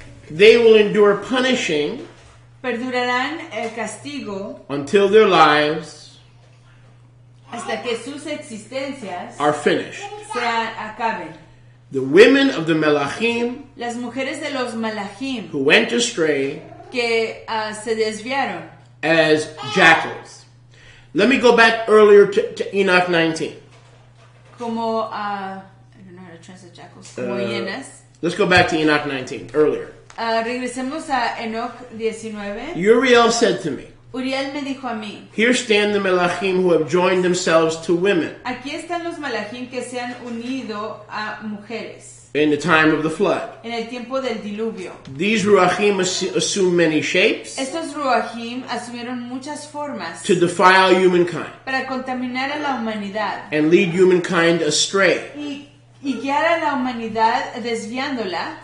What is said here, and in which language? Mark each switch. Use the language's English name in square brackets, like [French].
[English] They will endure punishing. [Spanish] Perdurarán el castigo. [English] Until their lives. [Spanish] Hasta que sus existencias. [English] Are finished. [Spanish] Se acaben. [English] The women of the Melachim, [Spanish] las mujeres de los Malachim, [English] who went astray, [Spanish] que se desviaron, [English] as jackals. Let me go back earlier to Enoch 19. [Spanish] Como, [English] I don't know how to translate jackals, [Spanish] como hienas. [English] Let's go back to Enoch 19, earlier. [Spanish] Regresemos a Enoch 19. [English] Uriel said to me, [Spanish] Uriel me dijo a mí, [English] here stand the Melachim who have joined themselves to women. [Spanish] Aquí están los Melachim que se han unido a mujeres. [English] In the time of the flood. [Spanish] En el tiempo del diluvio. [English] These Ruachim assume many shapes. [Spanish] Estos Ruachim asumieron muchas formas. [English] To defile humankind. [Spanish] Para contaminar a la humanidad. [English] And lead humankind astray. [Spanish] Y guiar a la humanidad desviándola.